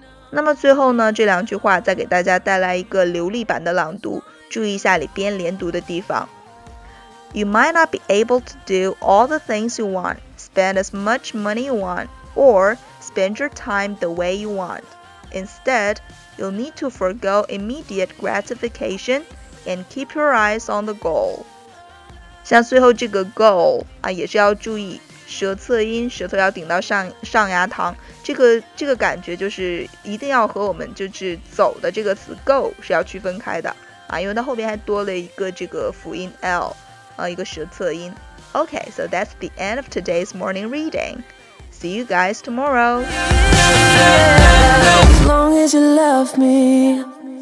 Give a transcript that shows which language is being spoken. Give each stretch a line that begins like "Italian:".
Chinese: 那么最后呢这两句话再给大家带来一个流利版的朗读，注意一下里边连读的地方。
English: You might not be able to do all the things you want, spend as much money you want,Or spend your time the way you want. Instead, you'll need to forgo immediate gratification and keep your eyes on the goal.
Chinese: 像最后这个 goal 啊，也是要注意舌侧音，舌头要顶到上牙膛。这个感觉就是一定要和我们就是走的这个词 go 是要区分开的啊，因为它后边还多了一个这个辅音 l 啊，一个舌侧音。
English: Okay, so that's the end of today's morning reading. See you guys tomorrow. As long as you love me.